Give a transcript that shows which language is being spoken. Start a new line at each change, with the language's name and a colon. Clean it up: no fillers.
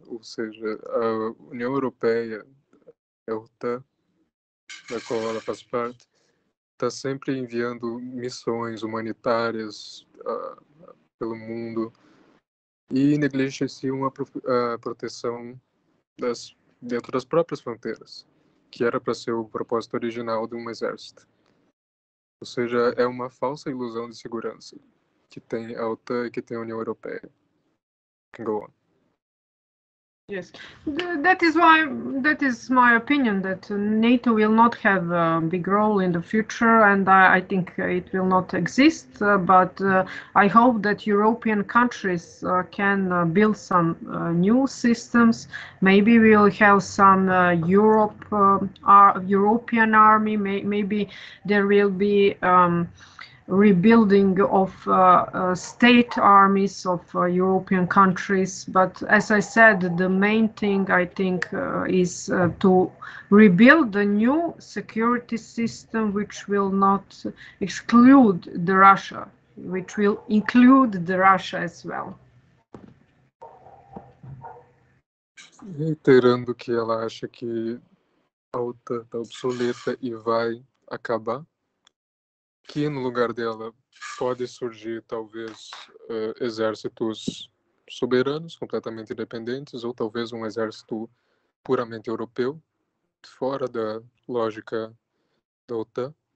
Portuguese: Ou seja, a União Europeia, a OTAN, da qual ela faz parte, está sempre enviando missões humanitárias pelo mundo e negligencia uma proteção dentro das próprias fronteiras, que era para ser o propósito original de um exército. Ou seja, é uma falsa ilusão de segurança que tem a OTAN e que tem a União Europeia.
English: Go on. Yes, that is my opinion, that NATO will not have a big role in the future, and I think it will not exist, but I hope that European countries can build some new systems. Maybe we'll have some European army, maybe there will be rebuilding of state armies of European countries, but as I said, the main thing I think is to rebuild the new security system, which will not exclude the Russia, which will include the Russia as well.
Portuguese: Reiterando que ela acha que a OTAN está obsoleta e vai acabar, que no lugar dela pode surgir, talvez, exércitos soberanos, completamente independentes, ou talvez um exército puramente europeu, fora da lógica da OTAN,